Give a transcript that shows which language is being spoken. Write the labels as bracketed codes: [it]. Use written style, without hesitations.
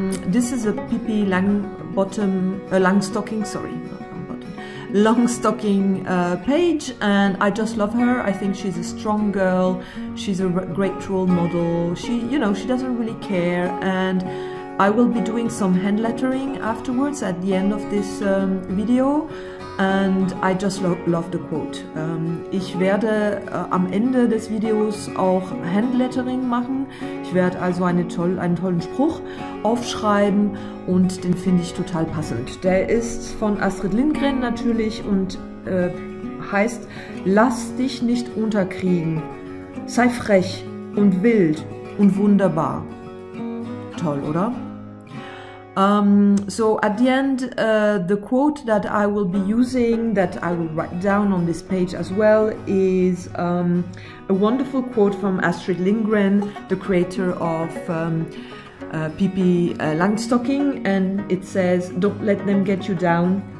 [en] This is a Pippi Longstocking page and I just love her. I think she's a strong girl, she's a great role model, she doesn't really care and I will be doing some hand lettering afterwards at the end of this video. And I just love the quote. [de] Ich werde am Ende des Videos auch Handlettering machen. Ich werde also einen tollen Spruch aufschreiben und den finde ich total passend. Der ist von Astrid Lindgren natürlich und heißt: Lass dich nicht unterkriegen, sei frech und wild und wunderbar. Toll, oder? [en] So at the end, the quote that I will be using, that I will write down on this page as well, is a wonderful quote from Astrid Lindgren, the creator of Pippi Langstocking, and it says, "Don't let them get you down.